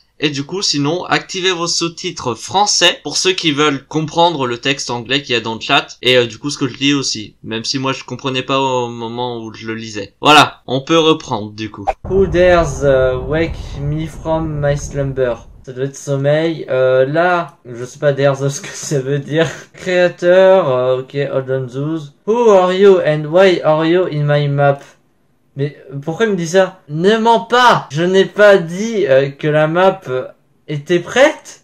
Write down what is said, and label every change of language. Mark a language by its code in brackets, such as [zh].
[fr] Et du coup, sinon, activez vos sous-titres français pour ceux qui veulent comprendre le texte anglais qu'il y a dans le chat. Et du coup, ce que je dis aussi. Même si moi, je comprenais pas au moment où je le lisais. Voilà, on peut reprendre du coup. [en] Who dares wake me from my slumber? [fr] Ça doit être sommeil. Là, je sais pas dares ce que ça veut dire. Créateur, ok, [en] hold on [fr] Zeus. [en] Who are you and why are you in my map? [fr] Mais pourquoi il me dit ça? Ne mens pas! Je n'ai pas dit que la map était prête.